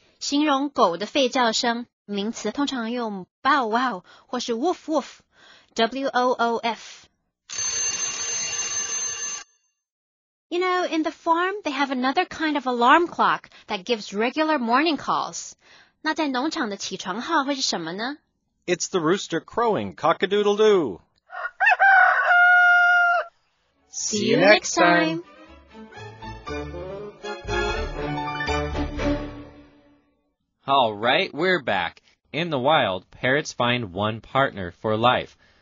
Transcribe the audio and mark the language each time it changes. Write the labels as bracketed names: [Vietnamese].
[Chinese] 形容狗的吠叫声，名词通常用 bow wow 或是 woof woof， W-O-O-F。 [English] You know, in the farm, they have another kind of alarm clock that gives regular morning calls. [Chinese] 那在农场的起床号会是什么呢? [English] It's the rooster crowing cock-a-doodle-doo. See you next time. All right, we're back. In the wild, parrots find one partner for life.